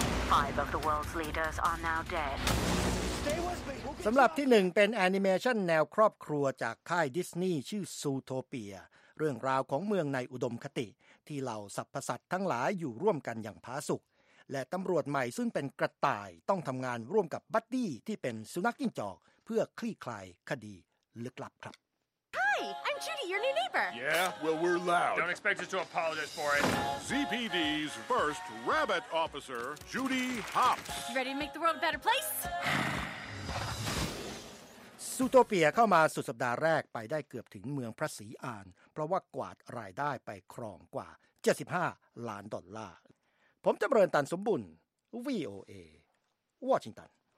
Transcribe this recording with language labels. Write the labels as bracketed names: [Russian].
[English] Five of the world's leaders are now dead. [Thai] สำหรับที่1เป็นแอนิเมชันแนวครอบครัวจากค่ายดิสนีย์ชื่อซูโทเปียเรื่องราวของเมืองในอุดมคติที่เหล่าสรรพสัตว์ทั้งหลายอยู่ร่วมกันอย่างผาสุกและตำรวจใหม่ซึ่งเป็นกระต่ายต้องทำงานร่วมกับบัดดี้ที่เป็นสุนัขจิ้งจอกเพื่อคลี่คลายคดีลึกลับครับ [English] Hi, I'm Judy, your new neighbor. Yeah, well, we're loud. Don't expect us to apologize for it. ZPD's first rabbit officer, Judy Hopps. You ready to make the world a better place? [Thai] Zootopia เข้ามาสุดสัปดาห์แรกไปได้เกือบถึงเมืองพระศรีอานเพราะว่ากวาดรายได้ไปครองกว่า75ล้านดอลลาร์ผมจำเริญตันสมบุญ VOA Washington